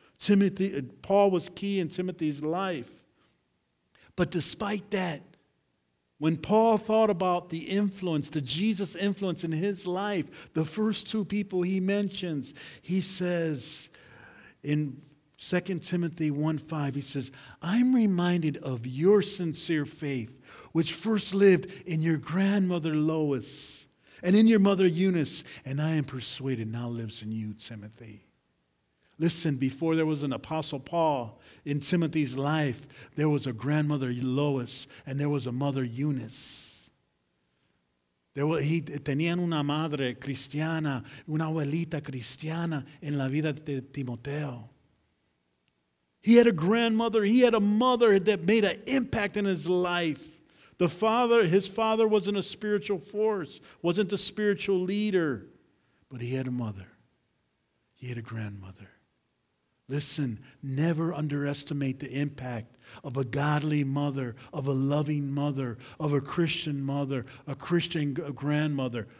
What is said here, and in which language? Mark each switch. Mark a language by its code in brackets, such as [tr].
[en] Timothy, Paul was key in Timothy's life. But despite that, when Paul thought about the influence, the Jesus influence in his life, the first two people he mentions, he says in 2 Timothy 1:5, he says, I'm reminded of your sincere faith, which first lived in your grandmother Lois and in your mother Eunice, and I am persuaded now lives in you, Timothy. Listen, before there was an Apostle Paul in Timothy's life, there was a grandmother Lois and there was a mother Eunice. There was, [es] he tenían una madre cristiana, una abuelita cristiana en la vida de Timoteo. [en] He had a grandmother, he had a mother that made an impact in his life. The father, his father wasn't a spiritual force, wasn't a spiritual leader, but he had a mother. He had a grandmother. Listen, never underestimate the impact of a godly mother, of a loving mother, of a Christian mother, a Christian grandmother.